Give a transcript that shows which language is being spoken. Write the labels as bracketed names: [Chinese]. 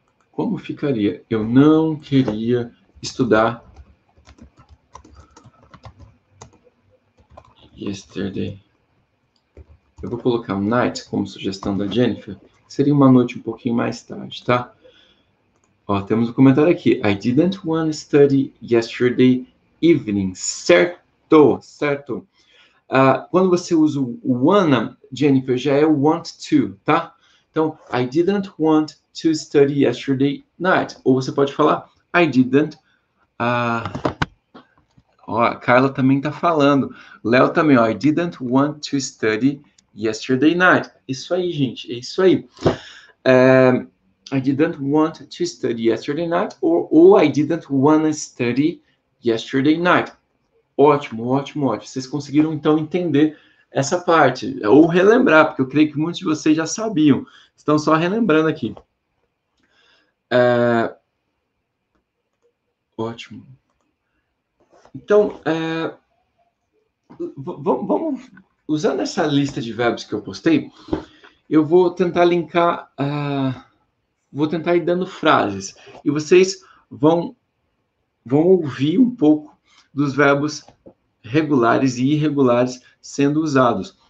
[Portuguese] Como ficaria? Eu não queria estudar yesterday. Eu vou colocar night como sugestão da Jennifer. Seria uma noite um pouquinho mais tarde, tá? Ó, temos um comentário aqui. [English] I didn't want to study yesterday evening. [Portuguese] Certo, certo. Quando você usa o wanna, Jennifer, já é o want to, tá? [English] Então, I didn't want to study yesterday night. [Portuguese] Ou você pode falar, [English] I didn't. [Portuguese] Ó, a Carla também tá falando. Léo também, ó. [English] I didn't want to study yesterday night. [Portuguese] Isso aí, gente. É isso aí. [English] I didn't want to study yesterday night. Ou I didn't want to study yesterday night. [Portuguese] Ótimo, ótimo, ótimo. Vocês conseguiram, então, entender essa parte. Ou relembrar, porque eu creio que muitos de vocês já sabiam. Estão só relembrando aqui. Ótimo. Então, vamos usando essa lista de verbos que eu postei, eu vou tentar linkar, vou tentar ir dando frases e vocês vão ouvir um pouco dos verbos regulares e irregulares sendo usados.